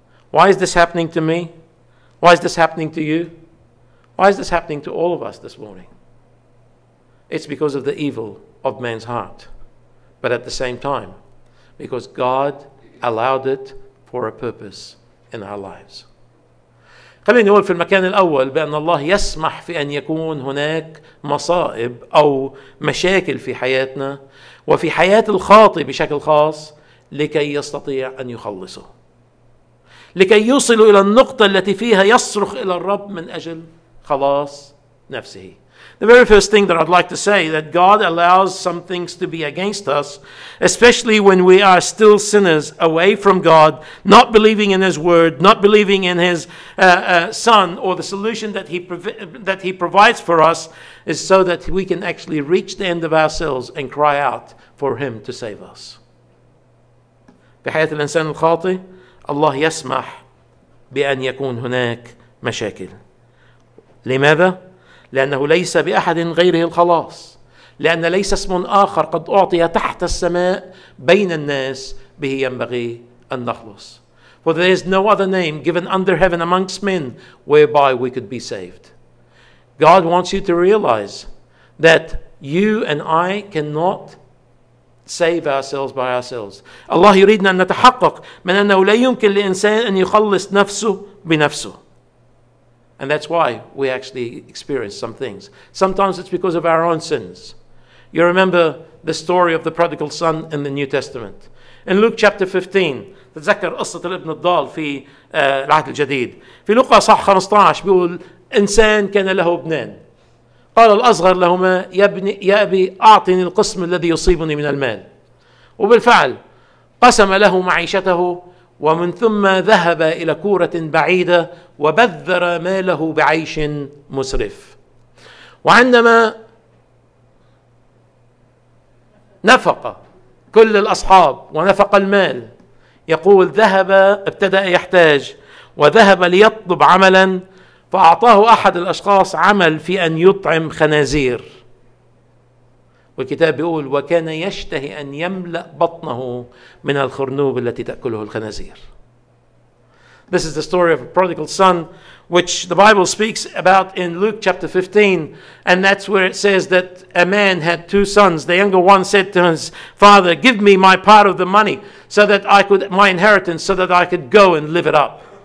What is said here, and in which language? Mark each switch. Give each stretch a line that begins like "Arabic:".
English: Why is this happening to me? Why is this happening to you? Why is this happening to all of us this morning? It's because of the evil of man's heart. But at the same time, because God allowed it for a purpose in our lives.
Arabic: خلينا نقول في المكان الأول بأن الله يسمح في أن يكون هناك مصائب أو مشاكل في حياتنا وفي حياة الخاطئ بشكل خاص لكي يستطيع أن يخلصه. لكي يصل إلى النقطة التي فيها يصرخ إلى الرب من أجل خلاص نفسه.
English: The very first thing that I'd like to say that God allows some things to be against us, especially when we are still sinners away from God, not believing in His Word, not believing in His Son or the solution that He provides for us, is so that we can actually reach the end of ourselves and cry out for Him to save us.
Arabic: في حياة الإنسان الخاطئ الله يسمح بأن يكون هناك مشاكل. لماذا؟ لأنه ليس بأحد غيره الخلاص، لأن ليس اسم آخر قد أعطي تحت السماء بين الناس به ينبغي أن نخلص.
English: For there is no other name given under heaven amongst men whereby we could be saved. God wants you to realize that you and I cannot save ourselves by ourselves.
Arabic: الله يريدنا أن نتحقق من أنه لا يمكن لإنسان أن يخلص نفسه بنفسه.
English: And that's why we actually experience some things. Sometimes it's because of our own sins. You remember the story of the prodigal son in the New Testament. In Luke chapter 15,
Arabic: تذكر قصة الابن الضال في العهد الجديد. في لوقا صح 15 بيقول إنسان كان له ابنان. قال الأصغر لهما يا أبي أعطني القسم الذي يصيبني من المال. وبالفعل قسم له معيشته ومن ثم ذهب إلى كورة بعيدة وبذر ماله بعيش مسرف. وعندما نفق كل الأصحاب ونفق المال يقول ذهب ابتدأ يحتاج وذهب ليطلب عملا فأعطاه أحد الأشخاص عمل في أن يطعم خنازير. والكتاب يقول وكان يشتهي أن يملأ بطنه من الخرنوب التي تأكله الخنازير.
English: This is the story of a prodigal son, which the Bible speaks about in Luke chapter 15, and that's where it says that a man had two sons. The younger one said to his father, "Give me my part of the money, so that I could my inheritance, so that I could go and live it up."